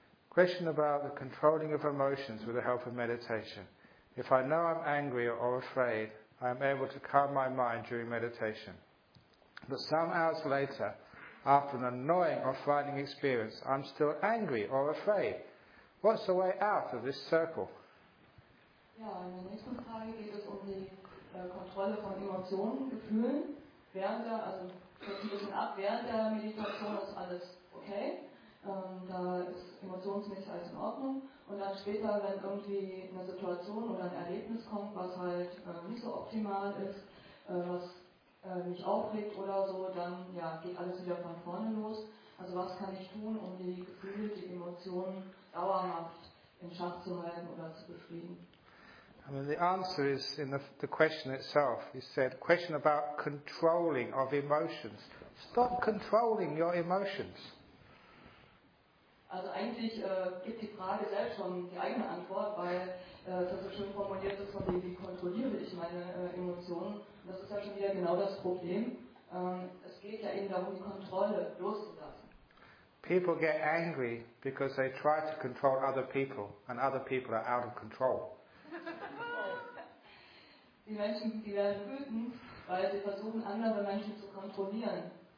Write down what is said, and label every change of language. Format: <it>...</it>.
<en>Question about the controlling of emotions with the help of meditation. If I know I'm angry or afraid, I am able to calm my mind during meditation. But some hours later, after an annoying or frightening experience, I'm still angry or afraid. What's the way out of this circle?</en> <de>Ja, in der nächsten Frage geht es um die Kontrolle von Emotionen, Gefühlen. Fällt ein bisschen ab, während der Meditation ist alles okay. Da ist emotionsmäßig alles in Ordnung. Und dann später, wenn irgendwie eine Situation oder ein Erlebnis kommt, was halt nicht so optimal ist, was mich aufregt oder so, dann ja, geht alles wieder von vorne los. Also was kann ich tun, um die Gefühle, die Emotionen dauerhaft in Schach zu halten oder zu befrieden?</de> <en>I mean, the answer is in the question itself. You said, question about controlling of emotions. Stop controlling your emotions.</en> <de>Also eigentlich gibt die Frage selbst schon die eigene Antwort, weil das so schön formuliert ist, von dem, wie kontrolliere ich meine Emotionen. Und das ist ja schon wieder genau das Problem. Es geht ja eben darum, die Kontrolle loszulassen.</de> <en>People get angry because they try to control other people and other people are out of control.</en> <de>Die Menschen, die werden wütend, weil sie versuchen, andere Menschen zu kontrollieren.</de>